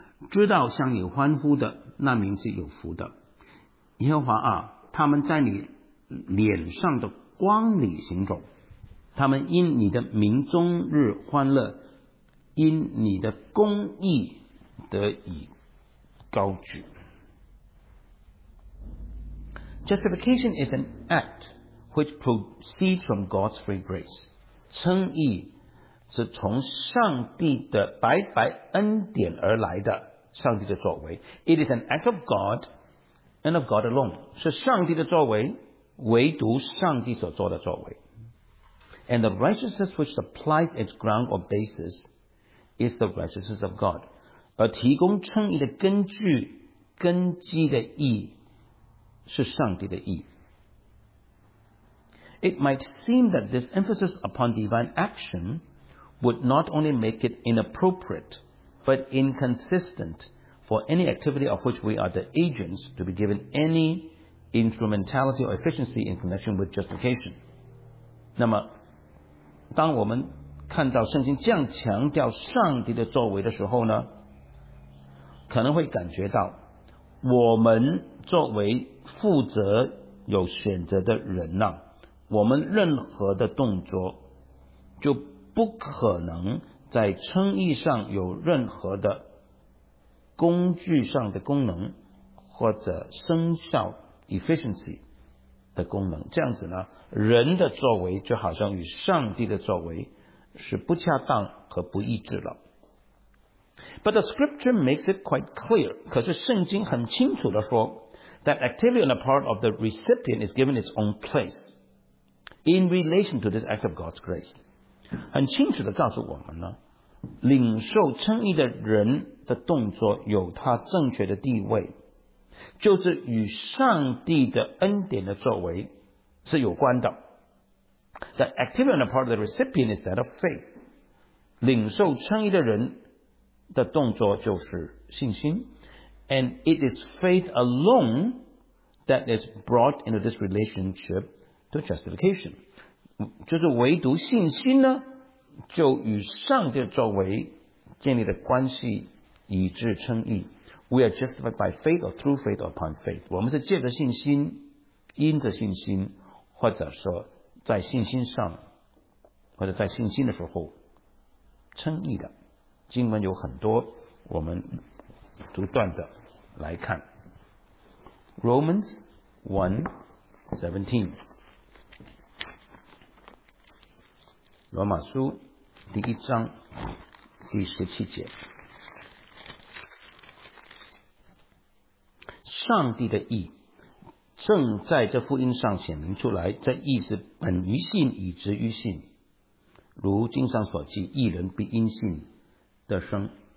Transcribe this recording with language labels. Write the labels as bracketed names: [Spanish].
[Chinese] 知道向你欢呼的那名是有福的，耶和华啊，他们在你脸上的光里行走，他们因你的名终日欢乐，因你的公义得以高举。 [English] Justification is an act which proceeds from God's free grace. [Chinese] 称义是从上帝的白白恩典而来的，上帝的作为。 [English] It is an act of God and of God alone. [Chinese] 是上帝的作为，唯独上帝所做的作为。 [English] And the righteousness which supplies its ground or basis is the righteousness of God. [Chinese] 而提供称义的根据、根基的义是上帝的义。 [English] It might seem that this emphasis upon divine action would not only make it inappropriate, but inconsistent for any activity of which we are the agents to be given any instrumentality or efficiency in connection with justification. [Chinese] 那么，当我们看到圣经这样强调上帝的作为的时候呢，可能会感觉到我们作为负责有选择的人呢，我们任何的动作就不可能在称义上有任何的工具上的功能，或者生效 efficiency 的功能。这样子呢，人的作为就好像与上帝的作为是不恰当和不一致了。 [English] But the scripture makes it quite clear. [Chinese] 可是圣经很清楚地说 [English] that activity on the part of the recipient is given its own place in relation to this act of God's grace. [Chinese] 很清楚地告诉我们呢，领受称义的人的动作有他正确的地位，就是与上帝的恩典的作为是有关的。 [English] The activity on the part of the recipient is that of faith. [Chinese] 领受称义的人的动作就是信心。 [English] And it is faith alone that is brought into this relationship to justification. [Chinese] 就是唯独信心呢，就与上帝的作为建立的关系以致称义。 [English] We are justified by faith or through faith or upon faith. [Chinese] 我们是借着信心，因着信心，或者说在信心上，或者在信心的时候称义的。经文有很多，我们逐段的来看。 Romans 1:17， 罗马书第一章第十七节，上帝的义正在这福音上显明出来，这义是本于信以至于信，如经上所记，义人必因信得生。